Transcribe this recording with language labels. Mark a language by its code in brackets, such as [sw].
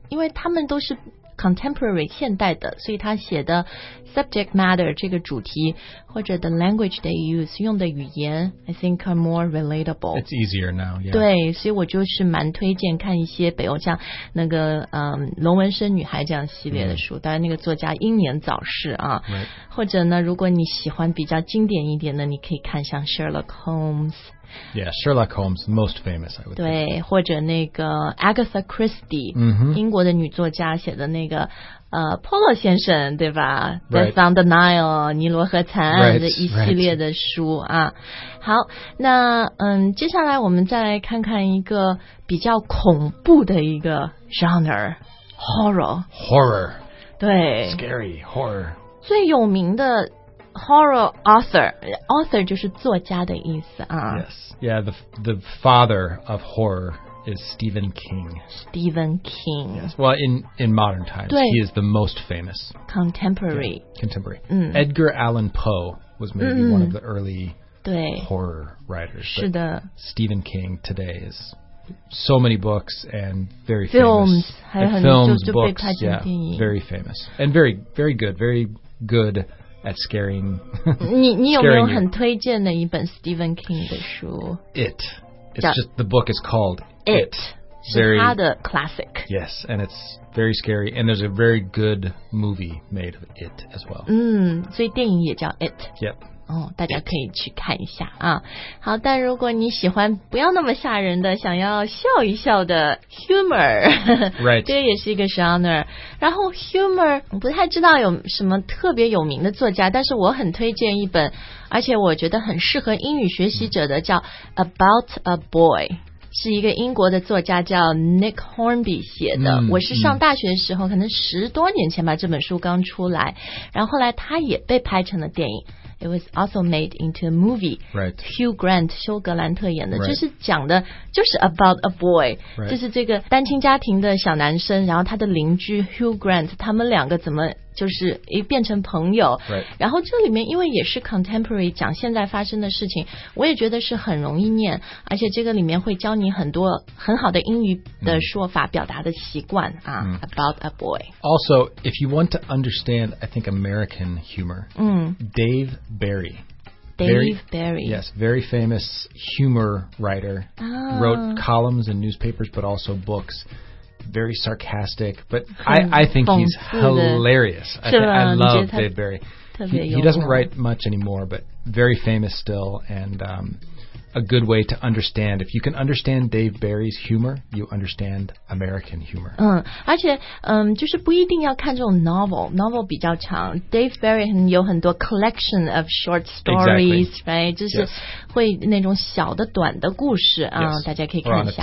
[zh] 因为他们都是 contemporary 现代的所以他写的 subject matter 这个主题或者 [en] the language they use [zh] 用的语言 [en] I think are more relatable It's easier now、yeah. [zh] 对所以我就是蛮推荐看一些北欧像那个、龙纹身女孩这样系列的书、 mm. 当然那个作家英年早逝啊、 [en] right. [zh] 或者呢如果你喜欢比较经典一点的你可以看像 Sherlock Holmes [en] Yeah, Sherlock Holmes, most famous, I would [zh] 对 [en] think. [zh] 对或者那个 Agatha Christie,、 mm-hmm. 英国的女作家写的那个、波洛先生对吧 [en] The [zh] Sound of Nile, 尼罗河惨案的一系列的书、 [en] right. [zh] 啊。好那嗯，接下来我们再来看看一个比较恐怖的一个 genre, horror. [en] Horror. [zh] 对 [en] Scary, horror. [zh] 最有名的Horror author, author 就是作家的意思啊。 [en] Yes, yeah, the father of horror is Stephen King. Stephen King. Yes, well, in modern times, [zh] 对 [en] he is the most famous. Contemporary. Yeah, contemporary.、 [zh] 嗯、 [en] Edgar Allan Poe was maybe、 [zh] 嗯、 [en] one of the early horror writers. [zh] 是的。 [en] Stephen King today is so many books and very films, famous. [zh] 还有很 [en] films, [zh] 就 [en] books, [zh] 就被拍成电影 [en] yeah, very famous. And very, very good, very good. At scaring, [zh] 你有没有很推荐的一本 Stephen King 的书 [en] It. It's just, the book is called It. It. Very, [zh] 是他的 classic. [en] Yes, and it's very scary. And there's a very good movie made of It as well. [zh] 嗯，所以电影也叫 It. [en] Yep. [zh] 哦，大家可以去看一下啊。好，但如果你喜欢不要那么吓人的，想要笑一笑的 humor，对，这也是一个 genre。然后 humor， 我不太知道有什么特别有名的作家，但是我很推荐一本，而且我觉得很适合英语学习者的，叫《About a Boy》。是一个英国的作家叫 Nick Hornby 写的、嗯、我是上大学的时候、嗯、可能十多年前吧这本书刚出来然后后来他也被拍成了电影 [en] It was also made into a movie、 right. [zh] Hugh Grant 休格兰特演的、 [en] right. [zh] 就是讲的就是 about a boy、 [en] right. [zh] 就是这个单亲家庭的小男生然后他的邻居 Hugh Grant 他们两个怎么就是一变成朋友、 [en] right. [zh] 然后这里面因为也是 contemporary 讲现在发生的事情我也觉得是很容易念而且这个里面会教你很多很好的英语的说法、 mm. 表达的习惯啊。 Mm. [en] About a boy Also if you want to understand I think American humor、 mm. Dave Barry Dave Barry Yes very famous humor writer、 ah. Wrote columns and newspapers but also booksvery sarcastic but I think he's hilarious I love Dave Barry He doesn't write much anymore, but very famous still, and a good way to understand. If you can understand Dave Barry's humor, you understand American humor. [zh] 而且就是不一定要看这种 novel 比较长。 Dave Barry 有很多 [en] collection of short stories,、 exactly. right? [zh] 就是会那种小的短的故事、大家可以看一下。